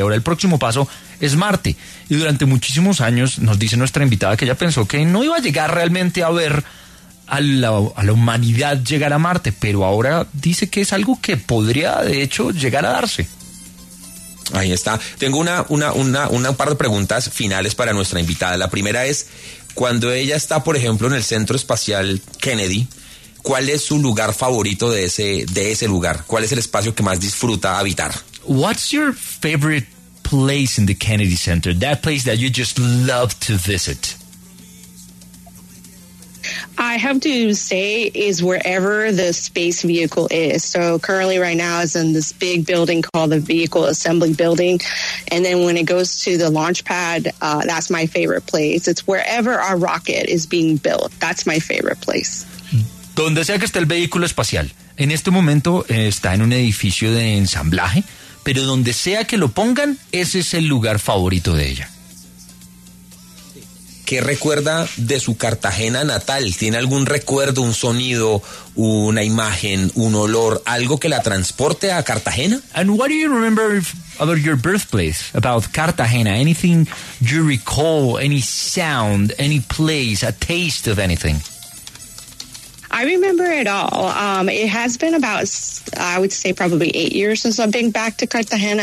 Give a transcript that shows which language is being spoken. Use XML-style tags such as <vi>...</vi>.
<es>Ahora el próximo paso es Marte. Y durante muchísimos años, nos dice nuestra invitada, que ella pensó que no iba a llegar realmente a ver a la humanidad llegar a Marte, pero ahora dice que es algo que podría, de hecho, llegar a darse. Ahí está. Tengo una par de preguntas finales para nuestra invitada. La primera es, cuando ella está, por ejemplo, en el Centro Espacial Kennedy, ¿cuál es su lugar favorito de ese lugar? ¿Cuál es el espacio que más disfruta habitar?</es> <en>What's your favorite place in the Kennedy Center? That place that you just love to visit. I have to say is wherever the space vehicle is. So currently right now is in this big building called the Vehicle Assembly Building. And then when it goes to the launch pad, that's my favorite place. It's wherever our rocket is being built. That's my favorite place.</en> <es>Donde sea que esté el vehículo espacial. En este momento está en un edificio de ensamblaje, pero donde sea que lo pongan, ese es el lugar favorito de ella. ¿Qué recuerda de su Cartagena natal? ¿Tiene algún recuerdo, un sonido, una imagen, un olor, algo que la transporte a Cartagena?</es> <en>And what do you remember about your birthplace, about Cartagena? Anything you recall, any sound, any place, a taste of anything? I remember it all. It has been about, I would say, probably 8 years since I've been back to Cartagena.</en>